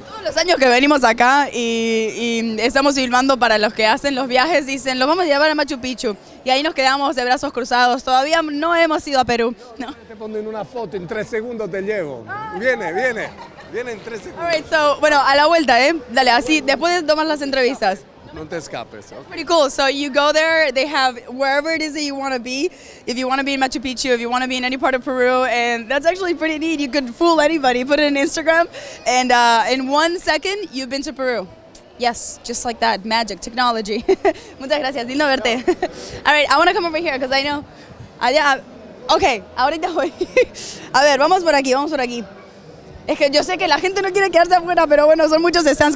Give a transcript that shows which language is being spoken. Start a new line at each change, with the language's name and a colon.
Spanish: Todos los años que venimos acá y estamos filmando para los que hacen los viajes, dicen, lo vamos a llevar a Machu Picchu. Y ahí nos quedamos de brazos cruzados. Todavía no hemos ido a Perú. No. Te pongo en una foto, en 3 segundos te llevo. Viene. Vienen 3 segundos.
English: All right, so,
Spanish: bueno, a la vuelta, Dale, así, después de tomar las entrevistas. No te escapes. Okay.
English: Pretty cool. So you go there, they have wherever it is that you want to be. If you want to be in Machu Picchu, if you want to be in any part of Peru, and that's actually pretty neat. You could fool anybody. Put it in Instagram, and in 1 second, you've been to Peru. Yes, just like that. Magic, technology.
Spanish: Muchas gracias, lindo verte.
English: All right, I want to come over here, because I know...
Spanish: Allá... Okay, ahorita voy. A ver, vamos por aquí. Es que yo sé que la gente no quiere quedarse afuera, pero bueno, son muchos stands.